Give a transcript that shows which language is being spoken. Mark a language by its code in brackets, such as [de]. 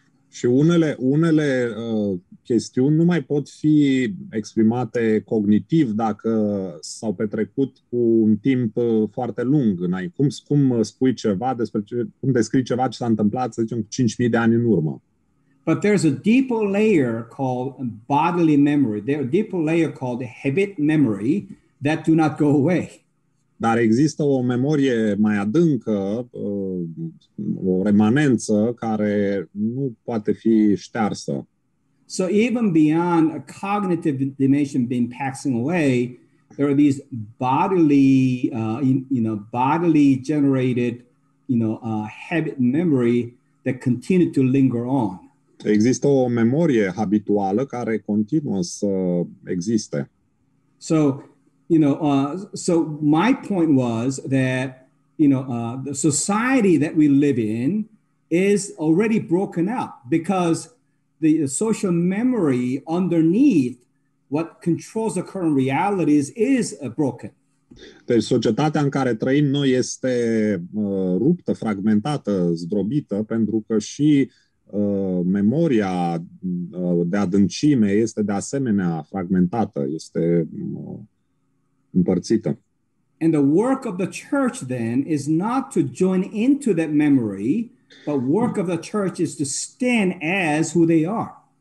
[ro] Și unele chestiuni nu mai pot fi exprimate cognitiv dacă s-au petrecut cu un timp foarte lung înainte. Cum spui ceva despre cum descrii ceva ce s-a întâmplat, să zicem, 5.000 de ani în urmă? [en] But there's a deeper layer called bodily memory. There's a deeper layer called habit memory that do not go away. [ro] Dar există o memorie mai adâncă, o remanență care nu poate fi ștearsă. [en] So even beyond a cognitive dimension being passing away, there are these bodily bodily generated habit memory that continue to linger on. [ro] Există o memorie habituală care continuă să existe. [en] So so my point was that, the society that we live in is already broken up because the social memory underneath what controls the current realities is broken. [ro] Deci societatea în care trăim noi este ruptă, fragmentată, zdrobită, pentru că și memoria de adâncime este de asemenea fragmentată, este împărțită. [en] And the work of the church then is not to join into that memory, but work of the church is to stand as who they are.